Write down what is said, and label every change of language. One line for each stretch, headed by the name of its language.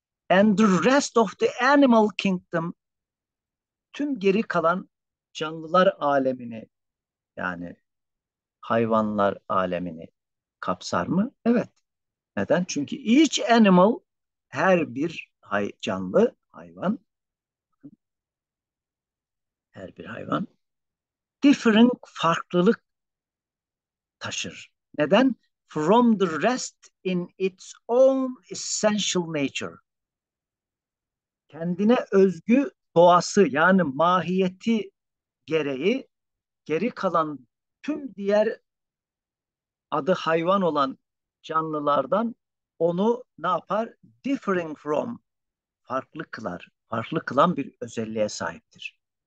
Turkish: And the rest of the animal kingdom, tüm geri kalan canlılar alemini, yani hayvanlar alemini kapsar mı? Evet. Neden? Çünkü each animal, her bir canlı hayvan, her bir hayvan different farklılık taşır. Neden?
English: From the rest in its own essential nature.
Turkish: Kendine özgü doğası, yani mahiyeti gereği geri kalan tüm diğer adı hayvan olan canlılardan onu ne yapar? Differing from, farklı kılar, farklı kılan bir özelliğe sahiptir.